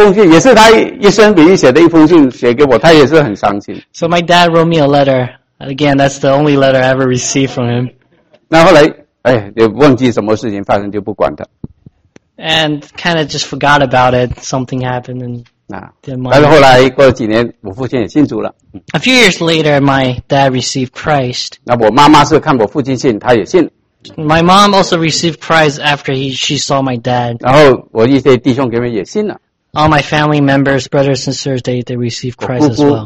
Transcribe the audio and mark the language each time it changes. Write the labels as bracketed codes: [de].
[zh] 也是他一生唯一写的一封信写给我，他也是很伤心。 [en] So my dad wrote me a letter. Again, that's the only letter I ever received from him. [zh] 那后来，哎，也忘记什么事情发生，就不管他。 [en] And kind of just forgot about it. Something happened and didn't mind. [zh] 但是后来过了几年，我父亲也信主了。 [en] A few years later, my dad received Christ. [zh] 那我妈妈是看我父亲信，她也信。 [en] My mom also received Christ after she saw my dad. [zh] 然后我一些弟兄姐妹也信了。 [en] All my family members, brothers and sisters, they received Christ as well.